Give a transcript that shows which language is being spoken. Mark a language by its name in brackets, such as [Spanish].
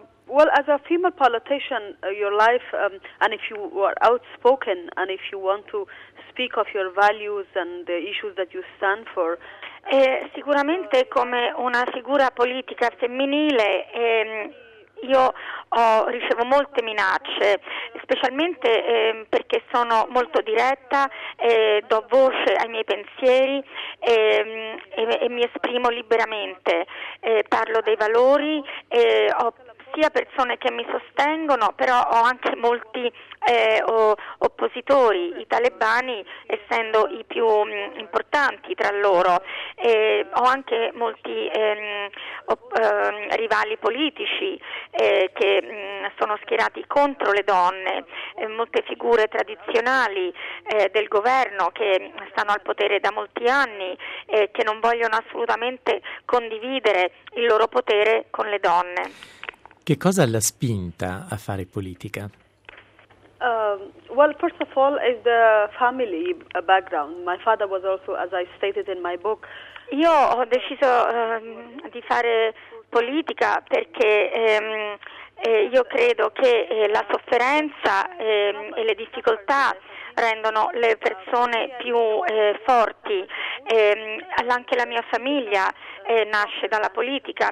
[English] Well, as a female politician, your life, and if you were outspoken, and if you want to speak of your values and the issues that you stand for. [Italian] Sicuramente, come una figura politica femminile, ricevo molte minacce, specialmente perché sono molto diretta, do voce ai miei pensieri e mi esprimo liberamente, parlo dei valori, ho sia persone che mi sostengono, però ho anche molti oppositori, i talebani essendo i più importanti tra loro, ho anche molti rivali politici che sono schierati contro le donne, molte figure tradizionali del governo che stanno al potere da molti anni e che non vogliono assolutamente condividere il loro potere con le donne. Che cosa l'ha spinta a fare politica? [English] Well, first of all, is the family background. My father was also, as I stated in my book. [Italian] Io ho deciso di fare politica perché io credo che la sofferenza e le difficoltà rendono le persone più forti. Anche la mia famiglia nasce dalla politica.